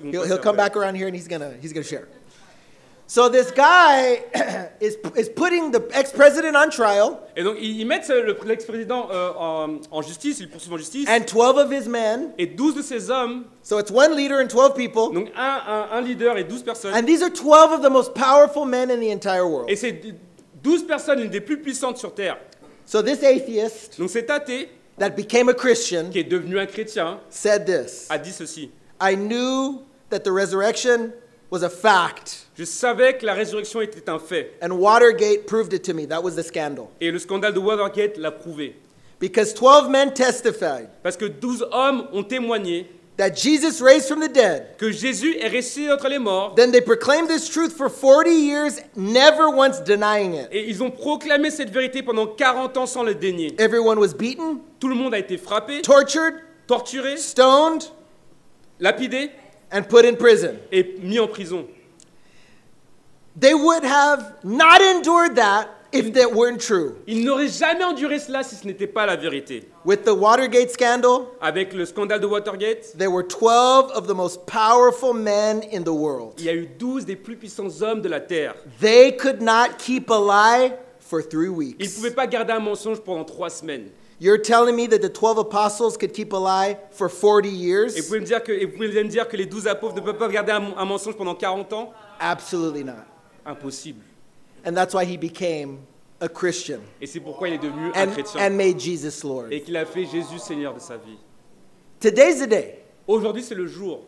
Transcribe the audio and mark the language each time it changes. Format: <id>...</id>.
<en>He'll come back around here and he's gonna share. So this guy is putting the ex-president on trial.</en> <fr>Et donc ils mettent l'ex-président en justice, ils poursuivent en justice.</fr> <en>And 12 of his men.</en> <fr>Et 12 de ses hommes.</fr> <en>So it's one leader and 12 people.</en> <fr>Donc un leader et 12 personnes.</fr> <en>And these are 12 of the most powerful men in the entire world.</en> <fr>Et c'est 12 personnes l'une des plus puissantes sur terre.</fr> <en>So this atheist.</en> <fr>Donc cet athée.</fr> <en>That became a Christian.</en> <fr>Qui est devenu un chrétien.</fr> <en>Said this.</en> <fr>A dit ceci.</fr> <en>I knew that the resurrection was a fact.</en> <fr>Je savais que la résurrection était un fait.</fr> <en>And Watergate proved it to me. That was the scandal.</en> <fr>Et le scandale de Watergate l'a prouvé.</fr> <en>Because 12 men testified.</en> <fr>Parce que 12 hommes ont témoigné.</fr> <en>That Jesus raised from the dead.</en> <fr>Que Jésus est ressuscité d'entre les morts.</fr> <en>Then they proclaimed this truth for 40 years, never once denying it.</en> <fr>Et ils ont proclamé cette vérité pendant 40 ans sans le dénier.</fr> <en>Everyone was beaten.</en> <fr>Tout le monde a été frappé.</fr> <en>Tortured.</en> <fr>Torturé.</fr> <en>Stoned.</en> <fr>Lapidé.</fr> <en>And put in prison.</en> <fr>Et mis en prison.</fr> <en>They would have not endured that if that weren't true.</en> <fr>Ils n'auraient jamais enduré cela si ce n'était pas la vérité.</fr> <en>With the Watergate scandal,</en> <fr>avec le scandale de Watergate,</fr> <en>there were 12 of the most powerful men in the world.</en> <fr>Il y a eu 12 des plus puissants hommes de la terre.</fr> <en>They could not keep a lie for 3 weeks.</en> <fr>Ils ne pouvaient pas garder un mensonge pendant 3 semaines.</fr> <en>You're telling me that the 12 apostles could keep a lie for 40 years?</en> <fr>Et vous pouvez me dire que les 12 apôtres ne peuvent pas garder un mensonge pendant 40 ans?</fr> <en>Absolutely not.</en> <fr>Impossible.</fr> <en>And that's why he became a Christian.</en> <fr>Et c'est pourquoi il est devenu un chrétien.</fr> <en>And made Jesus Lord.</en> <fr>Et qu'il a fait Jésus Seigneur de sa vie.</fr> <en>Today's the day.</en> <fr>Aujourd'hui c'est le jour.</fr>